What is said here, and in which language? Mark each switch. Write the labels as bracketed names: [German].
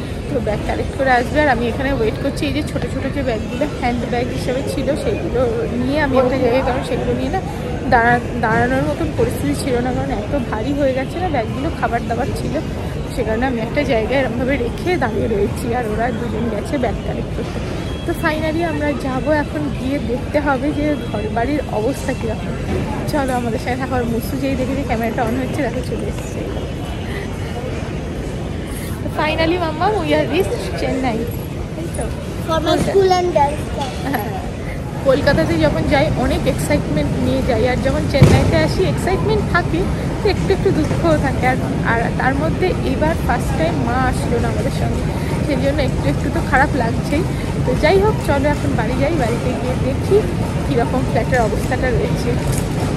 [Bangla] তো bag collect করে আসবে, আর আমি এখানে ওয়েট করছি। এই যে ছোটো ছোটো যে ব্যাগগুলো হ্যান্ড ব্যাগ হিসেবে ছিল, সেগুলো নিয়ে আমি একটা জায়গায়, কারণ সেগুলো নিয়ে না দাঁড়ানোর মতন পরিস্থিতি ছিল না, কারণ এত ভারী হয়ে গেছে না ব্যাগগুলো, খাবার দাবার ছিল। সে কারণে আমি একটা জায়গায় এরকমভাবে রেখে দাঁড়িয়ে রয়েছি, আর ওরা দুজন গেছে ব্যাগ কালেক্ট করতে। তো ফাইনালি আমরা যাবো, এখন গিয়ে দেখতে হবে যে ঘর বাড়ির অবস্থা কীরকম। চলো আমাদের সাথে থাকো। আর মুসু যেই দেখেছি ক্যামেরাটা অন হচ্ছে, দেখো চলে এসেছে। [English] finally mamma we have reached Chennai from school and dance [Bangla] কলকাতাতে যখন যাই অনেক এক্সাইটমেন্ট নিয়ে যাই আর যখন চেন্নাইতে আসি এক্সাইটমেন্ট থাকে তো একটু একটু দুঃখও থাকে আর তার মধ্যে এবার ফার্স্ট টাইম মা আসলো না আমাদের সঙ্গে সেই জন্য একটু একটু তো খারাপ লাগছেই তো যাই হোক চলো এখন বাড়ি যাই বাড়িতে গিয়ে দেখি কীরকম ফ্ল্যাটের অবস্থাটা রয়েছে